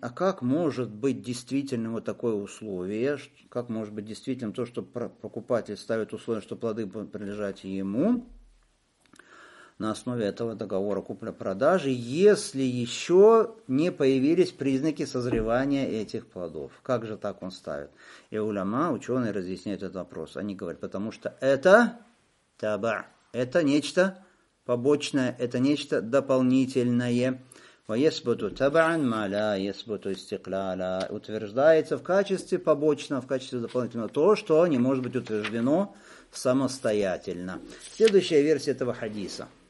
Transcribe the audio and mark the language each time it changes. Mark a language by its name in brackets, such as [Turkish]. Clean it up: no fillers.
[Russian] А как может быть действительно вот такое условие, как может быть действительно то, что покупатель ставит условие, что плоды будут принадлежать ему на основе этого договора купли-продажи, если еще не появились признаки созревания этих плодов? Как же так он ставит? И уляма, ученые разъясняют этот вопрос. Они говорят, потому что это таба, это нечто побочное, это нечто дополнительное. [Arabic] وَيَسْبُتُ تَبَعًا مَا لَا يَسْبُتُ إِسْتِقْلَالًا. [Russian] Утверждается в качестве побочного, в качестве дополнительного то, что не может быть утверждено самостоятельно. Следующая версия этого хадиса.